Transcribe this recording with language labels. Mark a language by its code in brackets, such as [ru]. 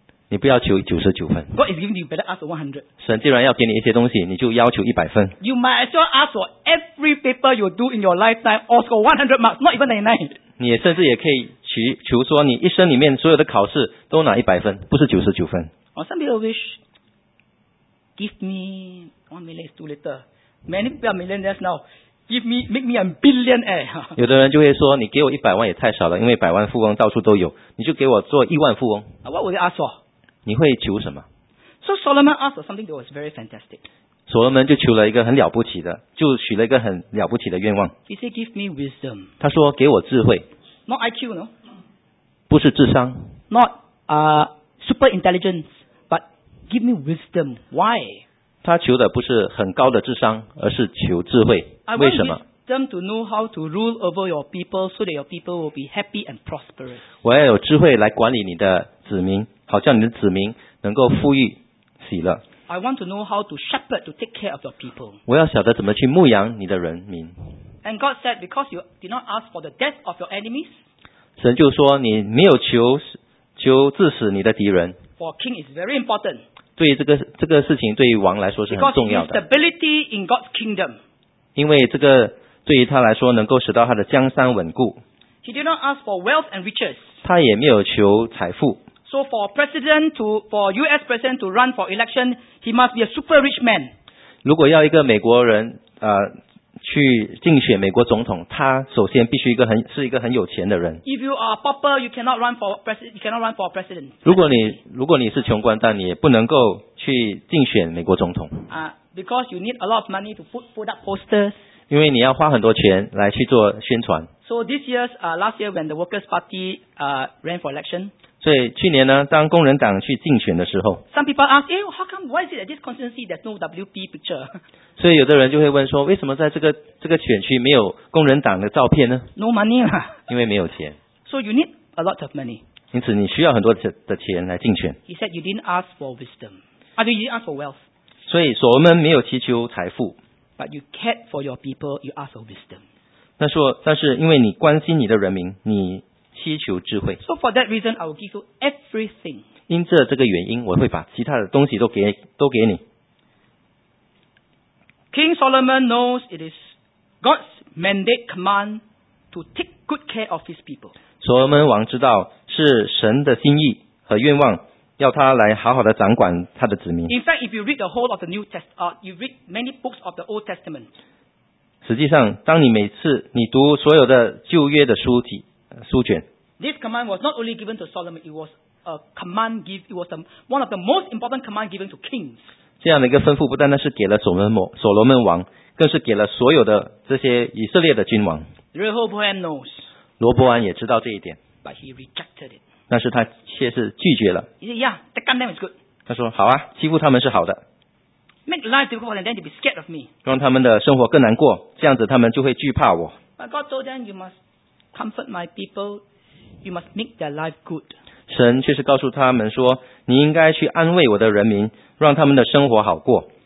[zh] 你不要求99分。 [en] God is giving you better ask for 100. [zh] 神既然要给你一些东西，你就要求100分。 [en] You might as well ask for every paper you do in your lifetime, all score 100 marks, not even 99. [zh] 你甚至也可以求说你一生里面所有的考试都拿100分，不是99分。 [en] Or some people wish, give me 1 million, too little. Many people are millionaires now. Make me a billionaire. [zh] 有的人就会说，你给我100万也太少了，因为百万富翁到处都有，你就给我做10,000,000富翁。 [en] What would they ask for? [zh] 你会求什么？ [en] So Solomon asked for something that was very fantastic. [zh] 所罗门就求了一个很了不起的，就许了一个很了不起的愿望。 [en] He said, "Give me wisdom." [zh] 他说给我智慧。 [en] Not IQ, no. [zh] 不是智商。 [en] Not super intelligence, but give me wisdom. Why? [zh] 他求的不是很高的智商，而是求智慧。为什么？ [en] I want them to know how to rule over your people so that your people will be happy and prosperous. [zh] 我要有智慧来管理你的子民，好叫你的子民能够富裕喜乐。 [en] I want to know how to shepherd to take care of your people. [zh] 我要晓得怎么去牧养你的人民。 [en] And God said, because you did not ask for the death of your enemies, [zh] 神就说你没有求致死你的敌人。 [en] For a king is very important. [zh] 对于这个事情，对于王来说是很重要的。 [en] Stability in God's kingdom. [zh] 因为这个对于他来说，能够使到他的江山稳固。 [en] He did not ask for wealth and riches. [zh] 他也没有求财富。 [en] So for U.S. president to run for election, he must be a super rich man. [zh] 如果要一个美国人去竞选美国总统，他首先必须是一个很有钱的人。 [en] If you are pauper, you cannot run for president. You cannot run for president. [zh] 如果你是穷光蛋，你也不能够去竞选美国总统。 [en] Because you need a lot of money to put up posters. [zh] 因为你要花很多钱来去做宣传。 [en] So this year, last year when the Workers' Party ran for election. [zh] 所以去年呢，当工人党去竞选的时候 [en] ，Some people ask, "Hey, how come? Why is it that this constituency has no WP picture?" [zh] 所以有的人就会问说，为什么在这个选区没有工人党的照片呢 [en] ？No money 啦， [zh] 因为没有钱。 [en] So you need a lot of money. [zh] 因此你需要很多的钱来竞选。 [en] He said you didn't ask for wisdom. You didn't ask for wealth. [zh] 所以所罗门没有祈求财富。 [en] But you cared for your people. You asked for wisdom. [zh] 但是因为你关心你的人民，你祈求智慧。 [en] So for that reason, I will give you everything. [zh] 因着这个原因，我会把其他的东西都给你。 [en] King Solomon knows it is God's mandate command to take good care of his people. [zh] 所罗门王知道是神的心意和愿望，要他来好好的掌管他的子民。 [en] In fact, if you read the whole of the New Testament, you read many books of the Old Testament. [zh] 实际上，当你每次你读所有的旧约的书卷。 [en] This command was not only given to Solomon; it was a command given. It was one of the most important command given to kings. [zh] 这样的一个吩咐不单单是给了所罗门王，更是给了所有的这些以色列的君王。 [en] Rehoboam knows. [zh] 罗伯安也知道这一点。 [en] But he rejected it. [zh] 但是他却是拒绝了。 [en] He said, "Yeah, the condemn is good." [zh] 他说：“好啊，欺负他们是好的。 [en] Make life difficult for them, then they'll be scared of me. [zh] 让他们的生活更难过，这样子他们就会惧怕我。 [en] But God told them, "You must." Comfort my people. you must make their life good. [zh] 神却是告诉他们说，你应该去安慰我的人民，让他们的生活好过。